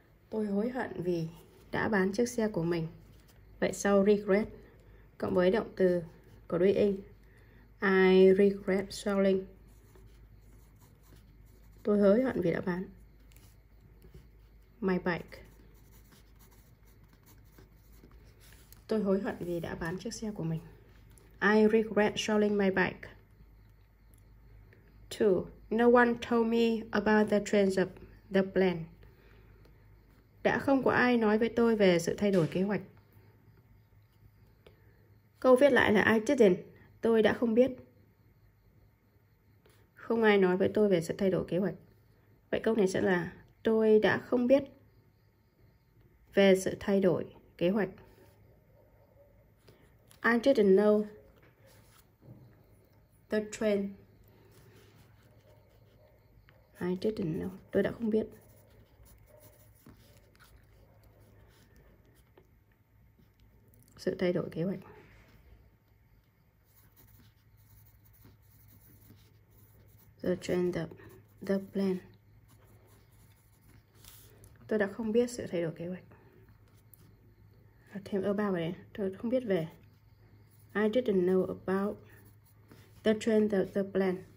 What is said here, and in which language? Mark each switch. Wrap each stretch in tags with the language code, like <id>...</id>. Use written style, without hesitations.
<vi>Tôi hối hận vì đã bán chiếc xe của mình. Vậy sau regret cộng với động từ có doing,</vi> <en>I regret selling.</en> <vi>Tôi hối hận vì đã bán</vi> <en>my bike.</en> <vi>Tôi hối hận vì đã bán chiếc xe của mình.</vi> <en>I regret selling my bike. 2. No one told me about the change of the plan.</en> <vi>Đã không có ai nói với tôi về sự thay đổi kế hoạch. Câu viết lại là</vi> <en>I didn't.</en> <vi>Tôi đã không biết. Không ai nói với tôi về sự thay đổi kế hoạch. Vậy câu này sẽ là tôi đã không biết về sự thay đổi kế hoạch.</vi> <en>I didn't know the train. I didn't know.</en> <vi>Tôi đã không biết. 3. Sự thay đổi kế hoạch. 4.</vi> <en>The train, the plan.</en> <vi>Tôi đã không biết sự thay đổi kế hoạch. Thêm about vào đây. Tôi không biết về.</vi> <en>I didn't know about the trend, the plan.</en>